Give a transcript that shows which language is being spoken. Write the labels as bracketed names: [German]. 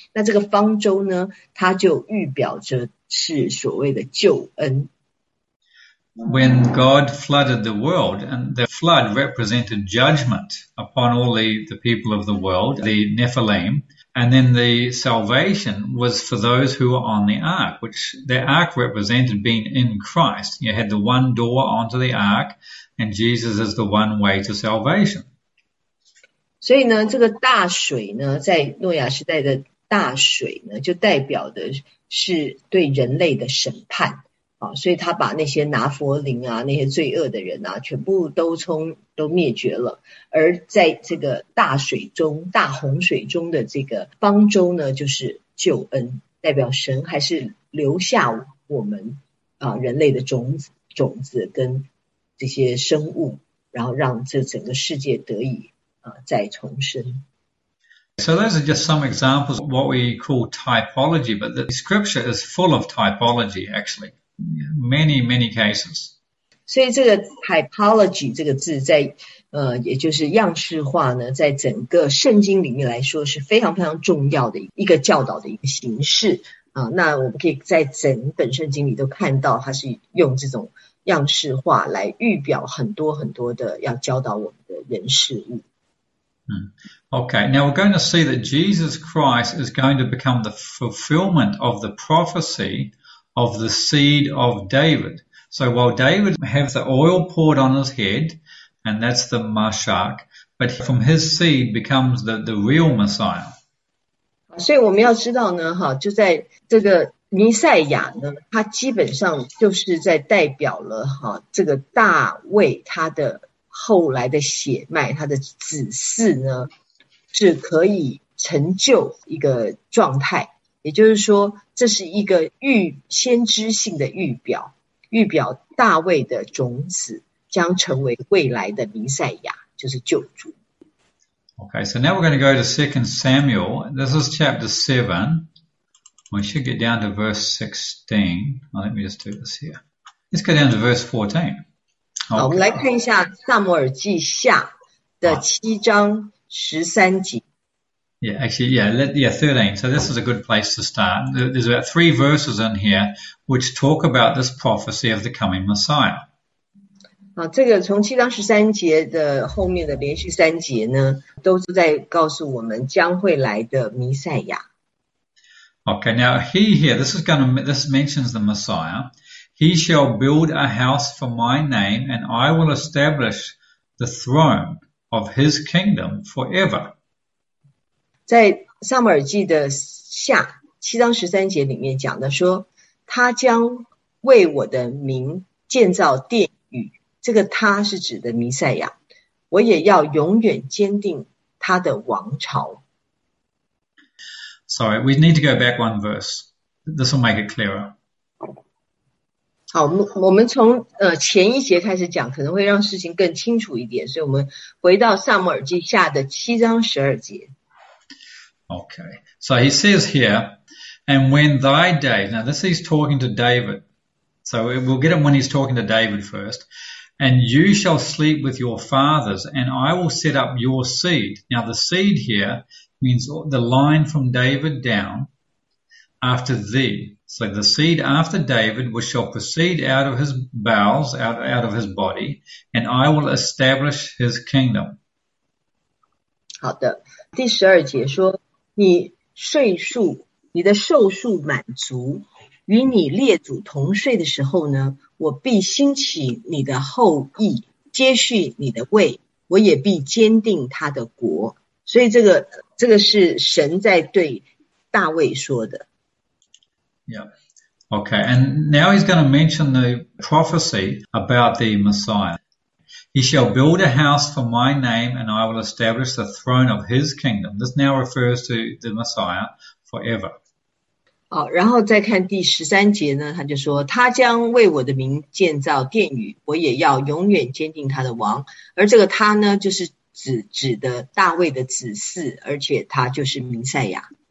[Chinese] 那这个方舟呢，它就预表着是所谓的救恩。 [English] When God flooded the world, and the flood represented judgment upon all the people of the world, the Nephilim, and then the salvation was for those who were on the ark, which the ark represented being in Christ. You had the one door onto the ark, and Jesus is the one way to salvation. [Chinese] 所以呢，这个大水呢，在诺亚时代的大水呢，就代表的是对人类的审判。所以他把那些拿佛林啊，那些罪恶的人啊，全部都灭绝了。而在这个大水中，大洪水中的这个方舟呢，就是救恩，代表神还是留下我们人类的种子跟这些生物然后让这整个世界得以再重生。 [English] So those are just some examples of what we call typology, but the scripture is full of typology, actually. Many, many cases. [Chinese] 所以这个 typology 这个字在也就是样式化呢，在整个圣经里面来说是非常非常重要的一个教导的一个形式啊。那我们可以在整本圣经里都看到，它是用这种样式化来预表很多很多的要教导我们的人事物。 [English] Okay, now we're going to see that Jesus Christ is going to become the fulfillment of the prophecy of the seed of David. So while David has the oil poured on his head, and that's the Mashiach, but from his seed becomes the real Messiah. [Chinese] 所以我们要知道呢，就在这个弥赛亚呢，他基本上就是在代表了这个大卫他的后来的血脉，他的子嗣呢是可以成就一个状态，也就是说这是一个先知性的预表，预表大卫的种子将成为未来的弥赛亚，就是救主。 [English] Okay, so now we're going to go to 2 Samuel. This is chapter 7. We should get down to verse 16. Let me just do this here. Let's go down to verse 14. Okay. [Chinese] 好，我们来看一下撒母耳记下的七章十三节。 [English] 13. So this is a good place to start. There's about three verses in here which talk about this prophecy of the coming Messiah. [Chinese] 好，这个从七章十三节的后面的连续三节呢，都是在告诉我们将会来的弥赛亚。 [English] Okay, now he here, this mentions the Messiah. He shall build a house for my name, and I will establish the throne of his kingdom forever. [Chinese] 在撒母耳记的下七章十三节里面讲的说，他将为我的名建造殿宇，这个他是指的弥赛亚，我也要永远坚定他的王朝。 [English] Sorry, we need to go back one verse. This will make it clearer. [Chinese] 好，我们从前一节开始讲，可能会让事情更清楚一点。所以我们回到撒母耳记下的七章十二节。 [English] Okay, so he says here, and when thy days, now this he's talking to David. So we'll get him when he's talking to David first. And you shall sleep with your fathers, and I will set up your seed. Now the seed here means the line from David down after thee. So the seed after David which shall proceed out of his bowels, out of his body, and I will establish his kingdom. [Chinese] 好的，第十二节说，你岁数，你的寿数满足，与你列祖同岁的时候呢，我必兴起你的后裔，接续你的位，我也必坚定他的国。所以这个是神在对大卫说的。 [English] Yeah. Okay. And now he's going to mention the prophecy about the Messiah. He shall build a house for my name, and I will establish the throne of his kingdom. This now refers to the Messiah forever. [Chinese] 好，然后再看第十三节呢，他就说，他将为我的名建造殿宇，我也要永远坚定他的王。而这个他呢，就是指的大卫的子嗣，而且他就是弥赛亚。